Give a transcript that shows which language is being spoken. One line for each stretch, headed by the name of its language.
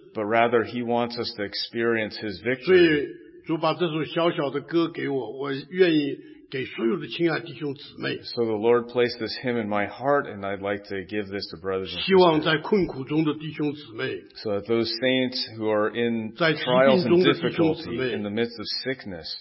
English: but rather He wants us to experience His victory.
Chinese: 所以主把这首小小的歌给我, 我愿意给所有的亲爱弟兄姊妹,
English: so the Lord placed this hymn in my heart, and I'd like to give this to brothers and sisters.
Chinese: 希望在困苦中的弟兄姊妹,
English: so that those saints who are in trials and difficulty in the midst of sickness,